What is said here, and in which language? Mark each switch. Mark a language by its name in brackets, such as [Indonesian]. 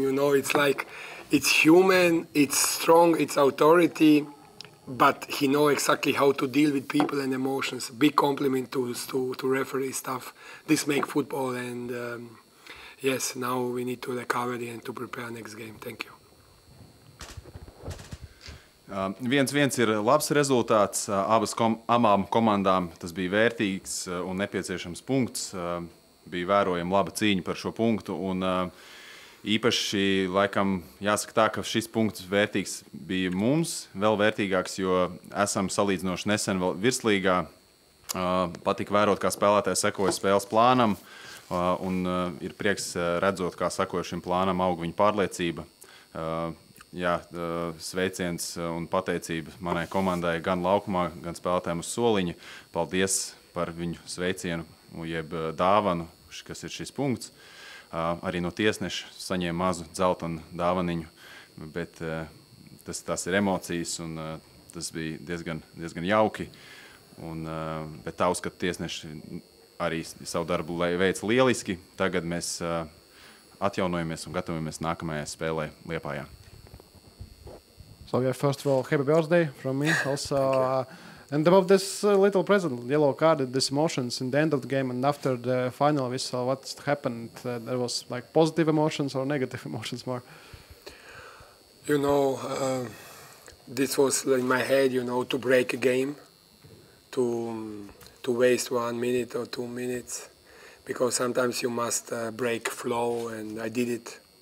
[English] You know, it's like, it's human, it's strong, it's authority, but he know exactly how to deal with people and emotions. Big compliment to referee staff. This make football, and yes, now we need to recover and to prepare next game. Thank you. [Latvian] Viens-viens ir labs rezultāts. Abām komandām tas bija vērtīgs un nepieciešams punkts. Bija vērojama laba cīņa par šo punktu. Un, īpaši, laikam, jāsaka tā, ka šis punkts vērtīgs bija mums, vēl vērtīgāks, jo esam salīdzinoši nesen vēl virslīgā. Patika vērot, kā spēlētāji sekoja spēles plānam, un ir prieks redzot, kā sekoja šim plānam aug viņa pārliecība. Jā, sveiciens un pateicība manai komandai gan laukumā, gan spēlētājiem uz soliņa. Paldies par viņu sveicienu, jeb dāvanu, kas ir šis punkts. Arī no tiesneša saņēma mazu dzeltenu dāvaniņu, bet tas ir emocijas un tas bija diezgan jauki. Bet tā uzskata tiesneši arī savu darbu veic lieliski. Tagad mēs atjaunojamies un gatavojamies nākamajai spēlē Liepājā. [English] So yeah, first of all, happy birthday from me also. And about this little present, yellow card, this emotions in the end of the game and after the final whistle, what happened? There was like positive emotions or negative emotions more? You know, this was in my head, you know, to break a game, to waste 1 minute or 2 minutes, because sometimes you must break flow, and I did it.